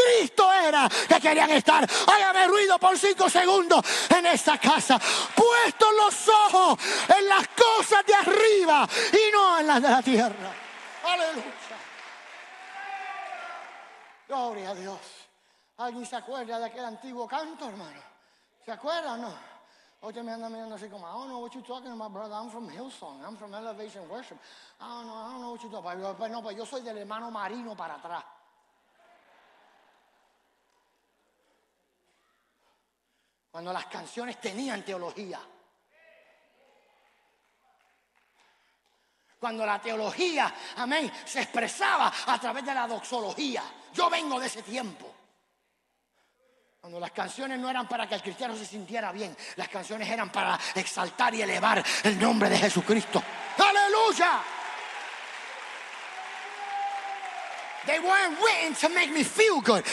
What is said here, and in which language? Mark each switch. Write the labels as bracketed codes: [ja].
[es] Cristo era que querían estar. Hágame ruido por 5 segundos en esta casa. Puesto los ojos en las cosas de arriba y no en las de la tierra. Aleluya. Gloria a Dios. ¿Alguien se acuerda de aquel antiguo canto, hermano? ¿Se acuerda o no? Oye, me anda mirando así como, [en] I don't know what you're talking about, brother. I'm from Hillsong. I'm from Elevation Worship. I don't know what you're talking about. [es] No, pues yo soy del hermano Marino para atrás. Cuando las canciones tenían teología. Cuando la teología, amén, se expresaba a través de la doxología. Yo vengo de ese tiempo. Cuando las canciones no eran para que el cristiano se sintiera bien, las canciones eran para exaltar y elevar el nombre de Jesucristo. ¡Aleluya! [en] They weren't written to make me feel good.